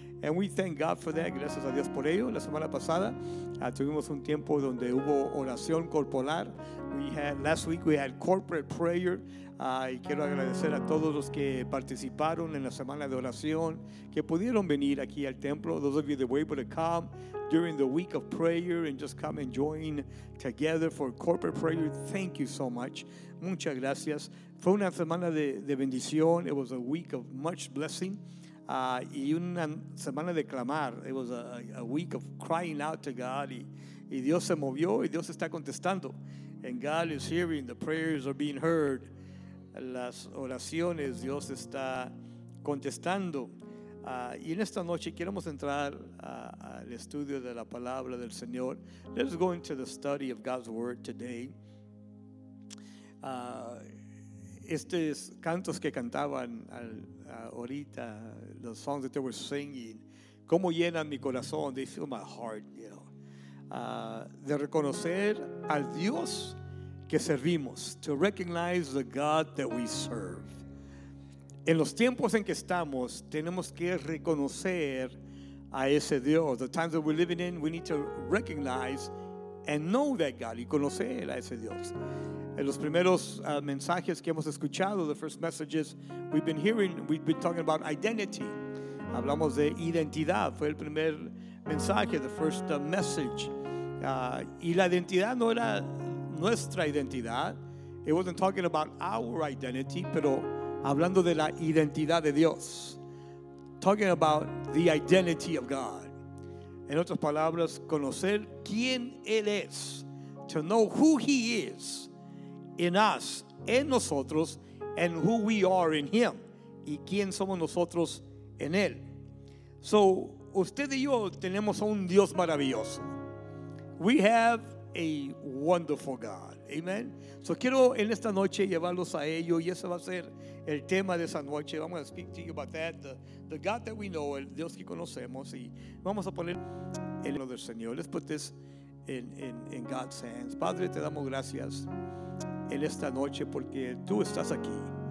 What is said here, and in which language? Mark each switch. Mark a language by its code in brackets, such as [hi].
[en] And we thank God for that. [es] Gracias a Dios por ello. La semana pasada tuvimos un tiempo donde hubo oración corporal. [en] Last week we had corporate prayer. [es] Y quiero agradecer a todos los que participaron en la semana de oración, que pudieron venir aquí al templo. [en] Those of you that were able to come during the week of prayer and just come and join together for corporate prayer, thank you so much. [es] Muchas gracias. Fue una semana de bendición. [en] It was a week of much blessing. [es] Y una semana de clamar. [en] It was a week of crying out to God. [es] Y Dios se movió y Dios está contestando. [en] And God is hearing, the prayers are being heard. [es] Las oraciones, Dios está contestando. Y en esta noche queremos entrar al estudio de la palabra del Señor. [en] Let's go into the study of God's word today. [es] Estos cantos que cantaban ahorita, [en] the songs that they were singing, [es] cómo llenan mi corazón, [en] they fill my heart, you know, [es] de reconocer al Dios que servimos, [en] to recognize the God that we serve. [es] En los tiempos en que estamos, tenemos que reconocer a ese Dios. [en] The times that we're living in, we need to recognize and know that God, [es] y conocer a ese Dios. En los primeros mensajes que hemos escuchado, [en] the first messages we've been hearing, we've been talking about identity. [es] Hablamos de identidad, fue el primer mensaje, [en] the first message. [es] Y la identidad no era nuestra identidad. [en] It wasn't talking about our identity, [es] pero hablando de la identidad de Dios. [en] Talking about the identity of God. [es] En otras palabras, conocer quién Él es. [en] To know who He is in us, [es] en nosotros, [en] and who we are in Him. [es] Y quién somos nosotros en Él. So, usted y yo tenemos a un Dios maravilloso. [en] We have a wonderful God. Amen. [es] So quiero en esta noche llevarlos a ello, y ese va a ser el tema de esa noche. [en] I'm going to speak to you about that, the God that we know, [es] el Dios que conocemos. Y vamos a poner el nombre del Señor. [en] Let's put this in God's hands. [es] Padre, te damos gracias en esta noche porque tú estás aquí.